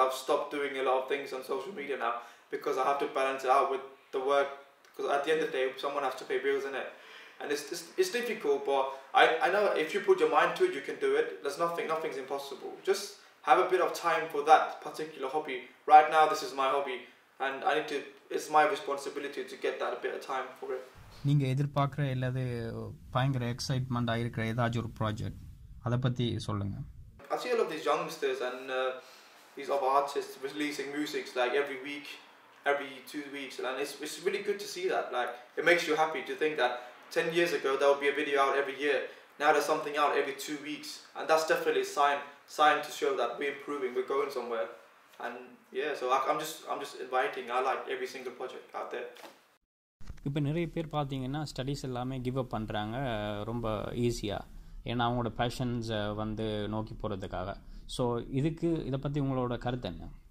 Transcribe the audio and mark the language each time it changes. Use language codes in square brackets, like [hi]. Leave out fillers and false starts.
[en] I've stopped doing a lot of things on social media now because I have to balance it out with the work, because at the end of the day someone has to pay bills in it, and it's difficult, but I know if you put your mind to it you can do it. There's nothing's impossible. Just have a bit of time for that particular hobby. Right now this is my hobby, and I need to, it's my responsibility to get that a bit of time for it. [ta] நீங்க எதிர்பார்க்கிற இல்லது பயங்கர excitement ஆயிருக்கிற ஏதாச்சும் ஒரு project, அதை பத்தி சொல்லுங்க. [en] I see a lot of these youngsters and these of artists releasing music like every week, every 2 weeks, and it's really good to see that. Like, it makes you happy to think that 10 years ago there would be a video out every year, now there's something out every 2 weeks, and that's definitely a sign to show that we're improving, we're going somewhere. And yeah, so I'm just inviting, I like every single project out there. [ta] இப்போ நிறைய பேர் பார்த்தீங்கன்னா studies எல்லாமே give up பண்ணுறாங்க ரொம்ப ஈஸியாக, ஏன்னா அவங்களோட பேஷன்ஸை வந்து நோக்கி போகிறதுக்காக. ஸோ இதுக்கு, இதை பற்றி உங்களோட கருத்து என்ன?